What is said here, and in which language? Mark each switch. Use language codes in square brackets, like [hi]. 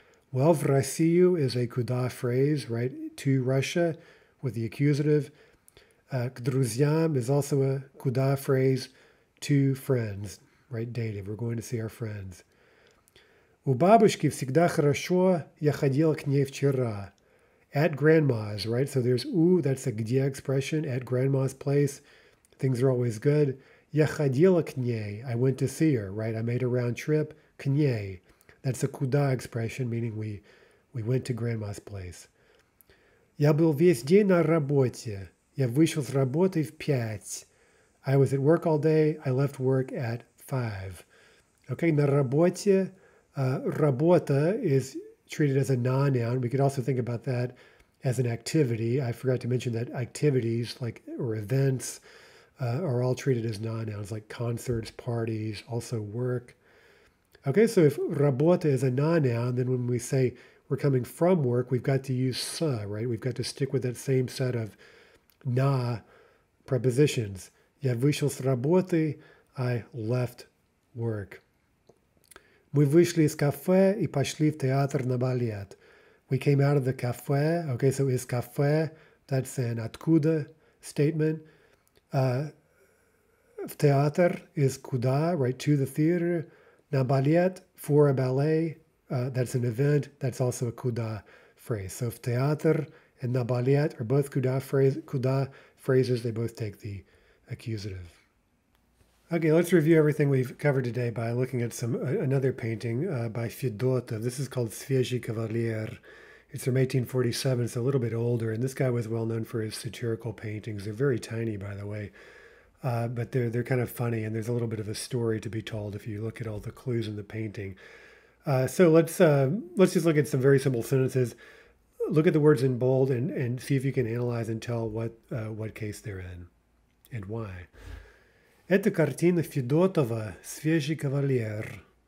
[en] Well, в Россию is a куда phrase, right? To Russia with the accusative. К друзьям is also a куда phrase. To friends, right? Dative, we're going to see our friends. [ru] У бабушки всегда хорошо, я ходил к ней вчера. [en] At grandma's, right? So there's у, that's a где expression, at grandma's place. Things are always good. [ru] Я ходил к ней, [en] I went to see her, right? I made a round trip, [ru] к ней. [en] That's a куда expression, meaning we went to grandma's place. [ru] Я был весь день на работе, я вышел с работы в пять. [en] I was at work all day, I left work at 5. Okay, на работе, работа is treated as a non-noun. We could also think about that as an activity. I forgot to mention that activities like or events are all treated as non-nouns, like concerts, parties, also work. Okay, so if работа is a non-noun, then when we say we're coming from work, we've got to use с, right? We've got to stick with that same set of на prepositions. [ru] Я вышел с работы, [en] I left work. [ru] Мы вышли из кафе и пошли в театр на балет. [en] We came out of the кафе. Okay, so is кафе, that's an откуда statement. В театр is куда, right, to the theater. На балет, for a ballet, that's an event, that's also a куда phrase. So в театр and на балет are both куда phrases, they both take the accusative. Okay, let's review everything we've covered today by looking at another painting by Fedotov. This is called Svezhi Kavalier. It's from 1847, so a little bit older, and this guy was well known for his satirical paintings. They're very tiny, by the way, but they're kind of funny, and there's a little bit of a story to be told if you look at all the clues in the painting. So let's just look at some very simple sentences. Look at the words in bold and see if you can analyze and tell what case they're in. And why? [ru] Это картина Федотова, свежий кавалер.